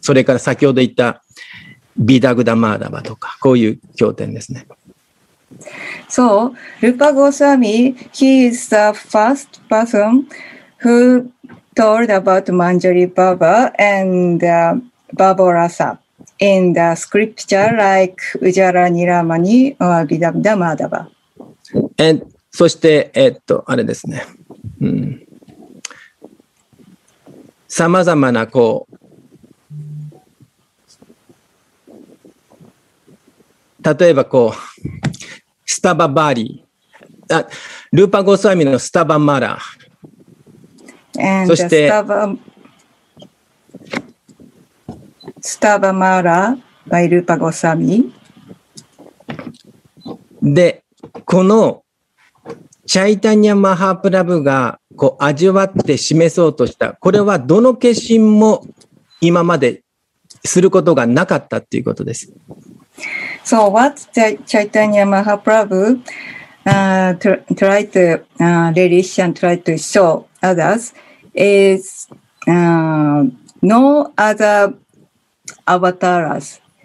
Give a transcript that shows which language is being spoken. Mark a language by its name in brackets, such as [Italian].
[Japanese] それから先ほど言ったビダグダマーダバとか、こういう経典ですね。 [English] So, Rupa Goswami, he is the first person who told about Manjari Baba and Babarasa in the scripture like ウジワラニラマニ or ビダグダマーダバ。 [Japanese] And,そして、あれですね。さまざまな、こう、例えば、こう、スタババーリー、ルーパゴスワミのスタバマラ、そして、スタバマラ、バイルーパゴスワミ。で、この、チャイタニア・マハプラブがこう味わって示そうとした。これはどの化身も今まですることがなかったということです。 [English] So what Chaitanya Mahaprabhu tried to relish and tried to show others is no other avatars.